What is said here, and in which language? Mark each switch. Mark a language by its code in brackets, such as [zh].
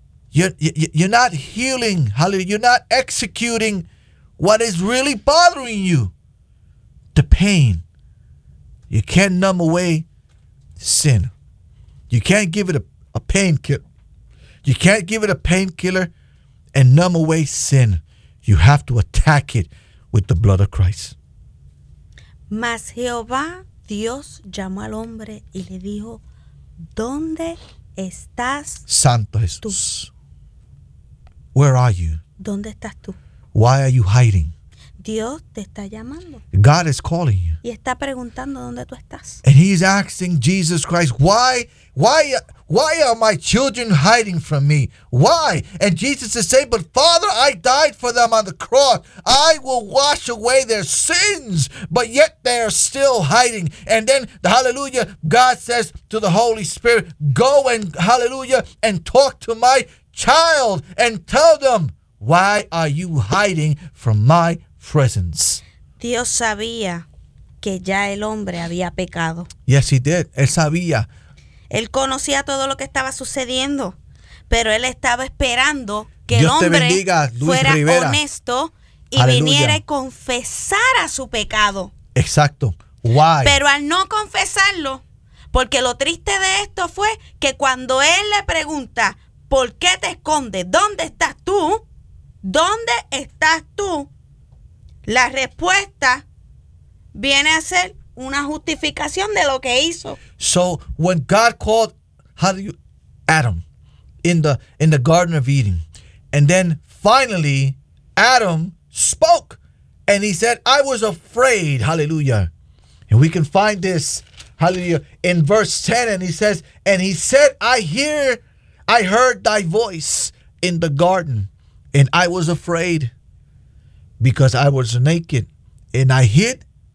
[en] You're not healing. Hallelujah. You're not executing what is really bothering you, the pain. You can't numb away sin. You can't give it a painkiller. You can't give it a painkiller and numb away sin. You have to attack it with the blood of Christ. [es] Mas Jehová Dios llamó al hombre y le dijo, ¿dónde estás? Santo Jesús. Tú? [en] Where are you? [es] ¿Dónde estás tú? [en] Why are you hiding? [es] Dios te está llamando. [en] God is calling you. [es] Y está preguntando dónde tú estás. [en] And he's asking Jesus Christ, why are my children hiding from me? Why? And Jesus is saying, but Father, I died for them on the cross. I will wash away their sins, but yet they are still hiding. And then, hallelujah, God says to the Holy Spirit, go and, hallelujah, and talk to my child and tell them Why are you hiding from my presence? [es] Dios sabía que ya el hombre había pecado. [en] Yes, he did. [es] Él sabía. Él conocía todo lo que estaba sucediendo, pero él estaba esperando que el hombre fuera honesto y viniera y confesara su pecado. Exacto. [en] Why? [es] Pero al no confesarlo, porque lo triste de esto fue que cuando él le pregunta, ¿por qué te escondes? ¿Dónde estás tú? ¿Dónde estás tú? La respuesta viene a ser una justificación de lo que hizo. [en] So when God called Adam in the Garden of Eden, and then finally Adam spoke and he said, I was afraid. Hallelujah. And we can find this, hallelujah, in verse 10. And he says, and he said, I heard thy voice in the garden, and I was afraid because I was naked, and I hid.